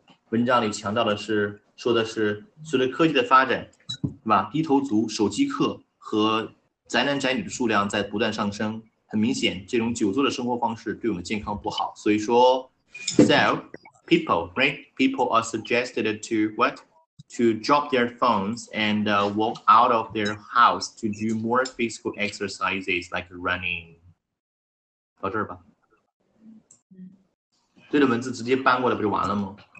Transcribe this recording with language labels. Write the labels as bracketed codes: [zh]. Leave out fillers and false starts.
[zh] 文章里强调的是说的是随着科技的发展是吧，低头族手机客和宅男宅女的数量在不断上升，很明显这种久坐的生活方式对我们健康不好，所以说 [en] so people, right? People are suggested to what? To drop their phones and walk out of their house to do more physical exercises like running. [zh] 到这儿吧，对的文字直接搬过来不就完了吗？